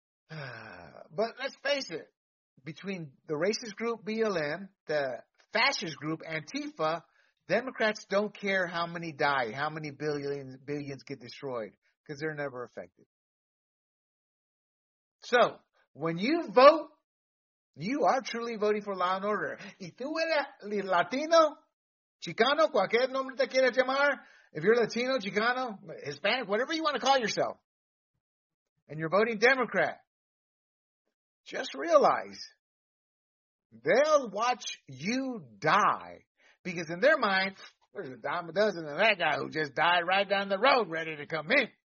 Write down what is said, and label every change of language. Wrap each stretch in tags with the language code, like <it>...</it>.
<en>But let's face it. Between the racist group BLM, the fascist group Antifa, Democrats don't care how many die, how many billions get destroyed, because they're never affected. So, when you vote, you are truly voting for law and order.</en> <es>Y tú eres Latino, Chicano, cualquier nombre te quieras llamar.</es> <en>If you're Latino, Chicano, Hispanic, whatever you want to call yourself, and you're voting Democrat, just realize they'll watch you die. Because in their mind, there's a dime a dozen of that guy who just died right down the road ready to come in.</en>